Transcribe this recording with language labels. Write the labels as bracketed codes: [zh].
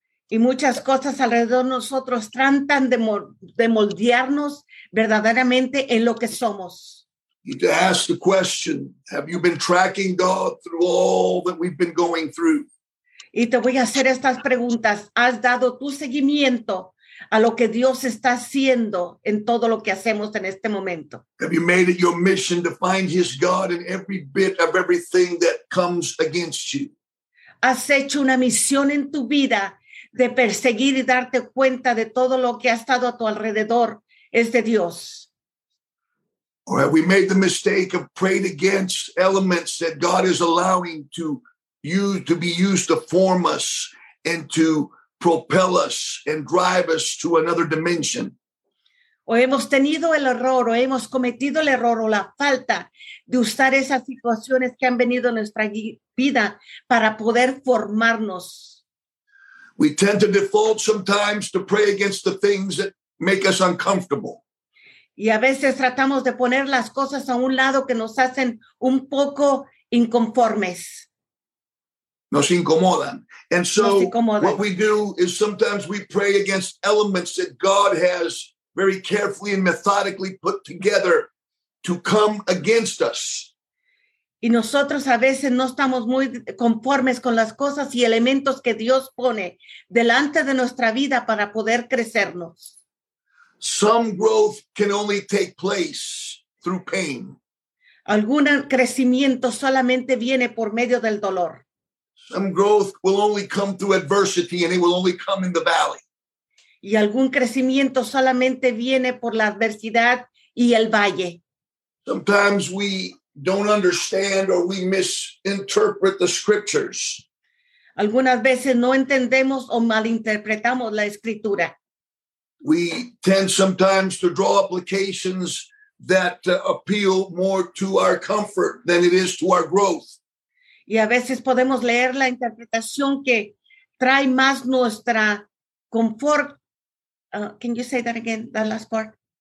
[es] Y muchas cosas alrededor nosotros tratan de moldearnos verdaderamente en lo que somos. [en] You need to ask the question, have you been tracking God through all that we've been going through? [es] Y te voy a hacer estas preguntas. ¿Has dado tu seguimiento a lo que Dios está haciendo en todo lo que hacemos en este momento? [en] Have you made it your mission to find His God in every bit of everything that comes against you? [es] ¿Has hecho una misión en tu vida de perseguir y darte cuenta de todo lo que ha estado a tu alrededor es de Dios? [en] Or have we made the mistake of praying against elements that God is allowing to be used to form us and to propel us and drive us to another dimension? [es] O hemos tenido el error, o hemos cometido el error, o la falta de usar esas situaciones que han venido a nuestra vida para poder formarnos. [en] We tend to default sometimes to pray against the things that make us uncomfortable. [es] Y a veces tratamos de poner las cosas a un lado que nos hacen un poco inconformes. Nos incomodan. [en] And so [es] incomodan. [en] What we do is sometimes we pray against elements that God has very carefully and methodically put together to come against us. [es] Y nosotros a veces no estamos muy conformes con las cosas y elementos que Dios pone delante de nuestra vida para poder crecernos. [en] Some growth can only take place through pain. [es] Algún crecimiento solamente viene por medio del dolor. [en] Some growth will only come through adversity and it will only come in the valley. [es] Y algún crecimiento solamente viene por la adversidad y el valle. [en] Sometimes we don't understand or we misinterpret the scriptures. [es] Algunas veces no entendemos o malinterpretamos la escritura. [en] We tend sometimes to draw applications that appeal more to our comfort than it is to our growth. [es] Y a veces podemos leer la interpretación que trae más nuestra confort. [en] Can you say that again, that last part?